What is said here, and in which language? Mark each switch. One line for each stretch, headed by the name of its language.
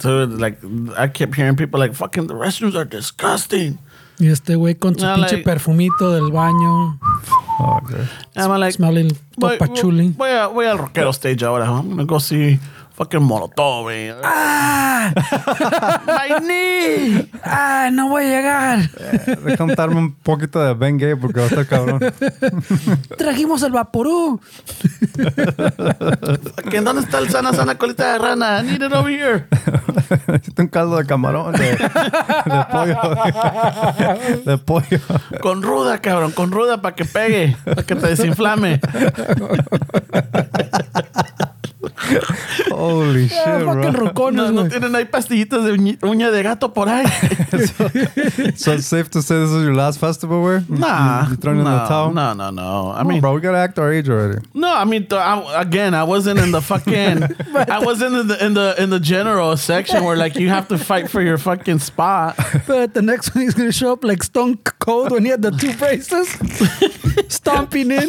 English: Dude, like, I kept hearing people like, fucking, the restrooms are disgusting.
Spanish: Y este güey con su pinche perfumito del baño.
English: Oh, okay. Like, smelling top patchouli.
Spanish: Voy al Rockero stage ahora.
English: I'm gonna go see fucking Molotov, man. ¡Ah! ¡My knee!
Spanish: ¡Ah, no voy a llegar! De contarme un poquito de Ben Gay porque va a estar cabrón. ¡Trajimos el Vaporú! ¿En dónde está el sana colita de rana?
English: I need it over here.
Spanish: Necesito un caldo de camarón. De pollo. De pollo. Con ruda, cabrón. Con ruda para que pegue. Para que te desinflame.
English: Holy shit, fucking bro.
Spanish: Rocones, no tienen ahí pastillitas de uña de gato por ahí.
English: So it's safe to say this is your last festival, where? Nah. You throwing in the towel? No. I mean, bro, we gotta act our age already. No, I mean, I wasn't in the fucking, I wasn't in the general section where, like, you have to fight for your fucking spot. But the next one, he's gonna show up like Stone cold when he had the two braces stomping in.